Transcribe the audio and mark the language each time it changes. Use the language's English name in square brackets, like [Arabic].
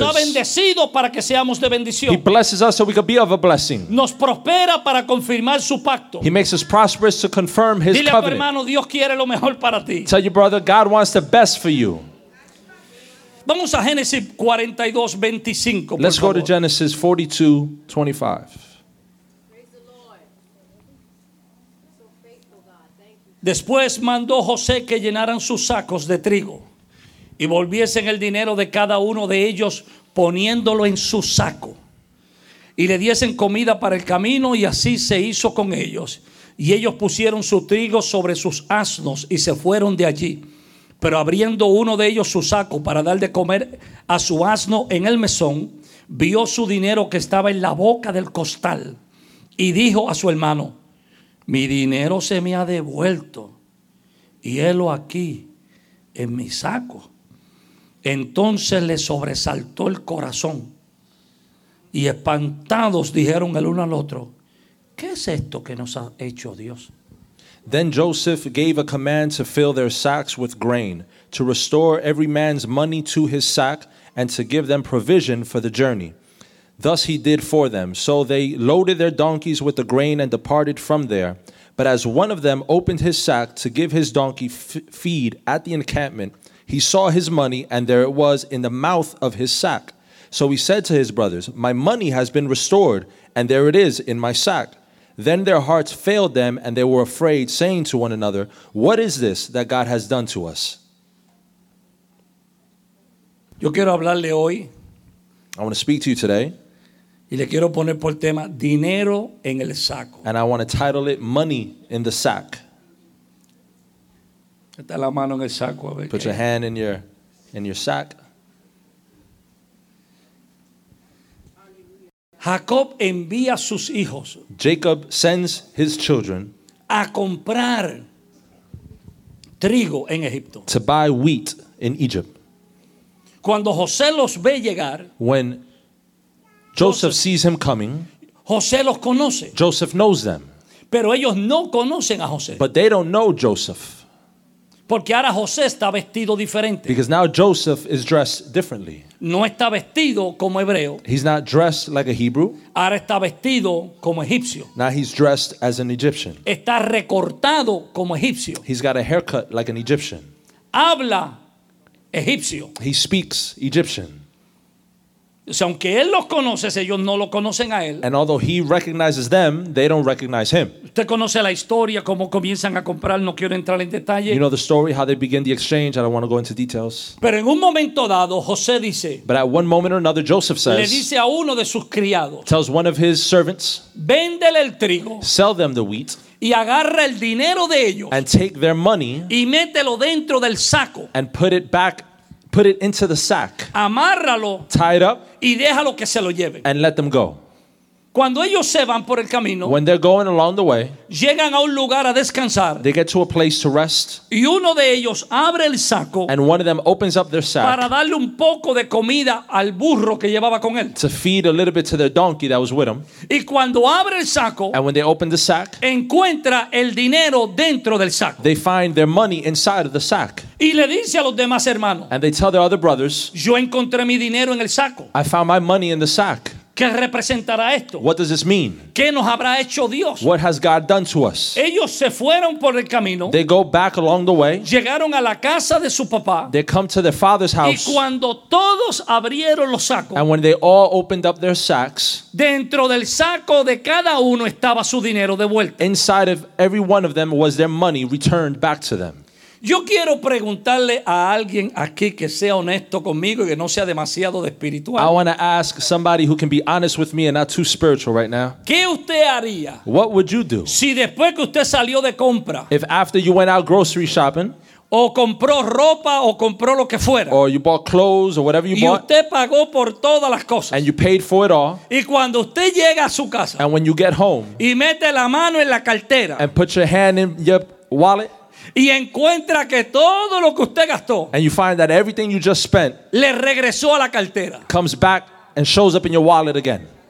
[Spanish] Nos ha bendecido para que seamos de bendición. [English] He blesses us so we can be of a blessing. [Spanish] Nos prospera para confirmar su pacto. [English] He makes us prosperous to confirm his [Spanish] dile [English] covenant. [Spanish] Dile a tu hermano, Dios quiere lo mejor para ti. [English] Tell your brother, God wants the best for you. [Spanish] Vamos a Génesis 42:25. [English] Let's [Spanish] favor. [English] Go to Genesis 42:25. [Spanish] Después mandó José que llenaran sus sacos de trigo y volviesen el dinero de cada uno de ellos poniéndolo en su saco y le diesen comida para el camino y así se hizo con ellos y ellos pusieron su trigo sobre sus asnos y se fueron de allí pero abriendo uno de ellos su saco para dar de comer a su asno en el mesón vio su dinero que estaba en la boca del costal y dijo a su hermano mi dinero se me ha devuelto y helo aquí en mi saco. Entonces le sobresaltó el corazón y espantados dijeron el uno al otro, ¿qué es esto que nos ha hecho Dios? [English] Then Joseph gave a command to fill their sacks with grain, to restore every man's money to his sack, and to give them provision for the journey. Thus he did for them. So they loaded their donkeys with the grain and departed from there. But as one of them opened his sack to give his donkey feed at the encampment, he saw his money, and there it was in the mouth of his sack. So he said to his brothers, "My money has been restored, and there it is in my sack." Then their hearts failed them, and they were afraid, saying to one another, "What is this that God has done to us?" [Spanish] Yo quiero hablarle hoy. [English] I want to speak to you today. [Spanish] Y le quiero poner por tema, dinero en el saco. [English] And I want to title it, Money in the Sack. [Spanish] Está la mano en el saco, a ver. [English] Put your hand in your sack. [Spanish] Jacob envía sus hijos. [English] Jacob sends his children [Spanish] a comprar trigo en Egipto. [English] To buy wheat in Egypt. [Spanish] Cuando José los ve llegar, [English] when Joseph sees him coming, [Spanish] José los conoce. [English] Joseph knows them. [Spanish] Pero ellos no conocen a José. [English] But they don't know Joseph. [Spanish] Porque ahora José está vestido diferente. [English] Because now Joseph is dressed differently. [Spanish] No está vestido como hebreo. [English] He's not dressed like a Hebrew. [Spanish] Ahora está vestido como egipcio. [English] Now he's dressed as an Egyptian. [Spanish] Está recortado como egipcio. [English] He's got a haircut like an Egyptian. [Spanish] Habla egipcio. [English] He speaks Egyptian. [Spanish] O sea, aunque él los conoce, ellos no lo conocen a él. [English] And although he recognizes them, they don't recognize him. [Spanish] Usted conoce la historia, cómo comienzan a comprar, no quiero entrar en detalle. [English] You know the story, how they begin the exchange, I don't want to go into details. [Spanish] Pero en un momento dado, José dice, [English] but at one moment or another, Joseph says, [Spanish] le dice a uno de sus criados, [English] tells one of his servants, [Spanish] véndele el trigo, [English] sell them the wheat, [Spanish] y agarra el dinero de ellos, [English] and take their money, [Spanish] y mételo dentro del saco, [English] and put it into the sack. [Spanish] Amárralo. [English] Tie it up. [Spanish] Y déjalo que se lo lleven. [English] And let them go. [Spanish] Cuando ellos se van por el camino, [English] when they're going along the way, [Spanish] llegan a un lugar a descansar, [English] they get to a place to rest. [Spanish] Y uno de ellos abre el saco, [English] and one of them opens up their sack, [Spanish] para darle un poco de comida al burro que llevaba con él, [English] to feed a little bit to their donkey that was with them. [Spanish] Y cuando abre el saco, [English] and when they open the sack, [Spanish] encuentra el dinero dentro del saco. [English] They find their money inside of the sack. [Spanish] Y le dice a los demás hermanos, [English] and they tell their other brothers, [Spanish] yo encontré mi dinero en el saco. [English] I found my money in the sack. [Spanish] ¿Qué representará esto? [English] What does this mean? [Spanish] ¿Qué nos habrá hecho Dios? [English] What has God done to us? [Spanish] Ellos se fueron por el camino. [English] They go back along the way. [Spanish] Llegaron a la casa de su papá. [English] They come to their father's house. [Spanish] Y cuando todos abrieron los sacos, [English] and when they all opened up their sacks, [Spanish] dentro del saco de cada uno estaba su dinero de vuelta. [English] Inside of every one of them was their money returned back to them. [Spanish] Yo quiero preguntarle a alguien aquí que sea honesto conmigo y que no sea demasiado de espiritual. [English] I want to ask somebody who can be honest with me and not too spiritual right now. [Spanish] ¿Qué usted haría? [English] What would you do? [Spanish] Si después que usted salió de compra, [English] if after you went out grocery shopping, [Spanish] o compró ropa o compró lo que fuera, [English] or you bought clothes or whatever you bought, [Spanish] y usted pagó por todas las cosas, [English] and you paid for it all, [Spanish] y cuando usted llega a su casa, [English] and when you get home, [Spanish] y mete la mano en la cartera, [English] and put your hand in your wallet, [Spanish] y encuentra que todo lo que usted gastó, [English] and you find that everything you just spent, [Spanish] le regresó a la cartera, [English] comes back and shows up in your wallet again.